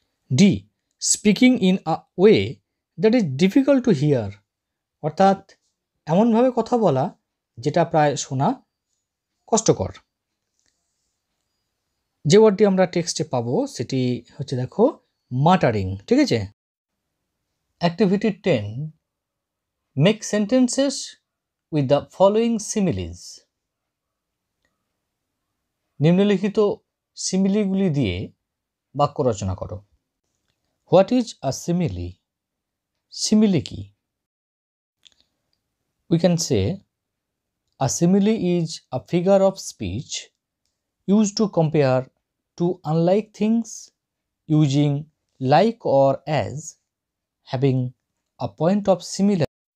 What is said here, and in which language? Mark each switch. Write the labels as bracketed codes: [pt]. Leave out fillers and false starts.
[en] the speaking in a way that is difficult to hear, [bn] অর্থাৎ এমনভাবে কথা বলা যেটা প্রায় শোনা কষ্টকর। যে ওয়ার্ডটি আমরা টেক্সটে পাবো সেটি হচ্ছে দেখো মাটারিং, ঠিক আছে। [en] Activity 10 Make sentences with the following similes. [bn] নিম্নলিখিত সিমিলিগুলি দিয়ে বাক্য রচনা করো। [en] what is a simile, [bn] simile কি? [en] We can say a simile is a figure of speech use to compare two unlike things using like or as having a point of similar.